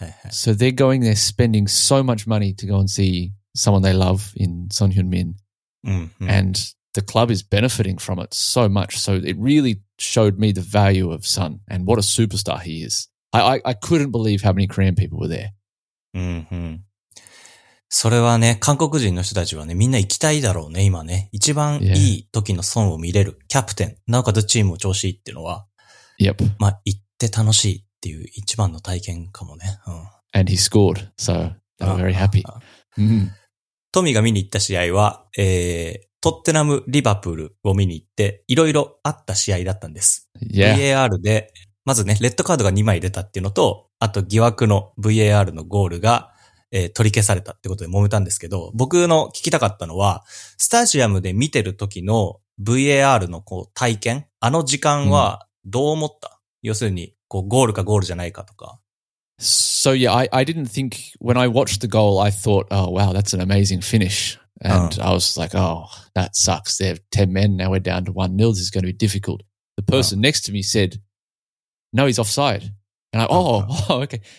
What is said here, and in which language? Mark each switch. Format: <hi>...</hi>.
<en>So they're going there spending so much money to go and see someone they love in Son Heung-min. Mm-hmm. And the club is benefiting from it so much. So it really showed me the value of Son and what a superstar he is. I couldn't believe how many Korean people were there. Mm-hmm.</en> <ja>それはね、韓国人の人たちはね、みんな行きたいだろうね、今ね。一番いい時のソンを見れる。キャプテン、なおかつチームも調子いいっていうのは。</ja> <en>Yep.</en> <ja>まあ、行って楽しいっていう一番の体験かもね。</ja> <en>And he scored, so they were very happy.</en> <ja>トミが見に行った試合は、トッテナム・リバプールを見に行っていろいろあった試合だったんです。</ja> <en>Yeah.</en> <ja>VAR でまずねレッドカードが2枚出たっていうのとあと疑惑の VAR のゴールが、取り消されたってことで揉めたんですけど僕の聞きたかったのはスタジアムで見てる時の VAR のこう体験あの時間はどう思った、mm. 要するにこうゴールかゴールじゃないかとか。</ja> <en>So yeah, I didn't think when I watched the goal, I thought, oh wow, that's an amazing finish. And I was like, oh, that sucks. They have 10 men. Now we're down to 1-0. This is going to be difficult. The person next to me said, no, he's offside. And I, okay.</en>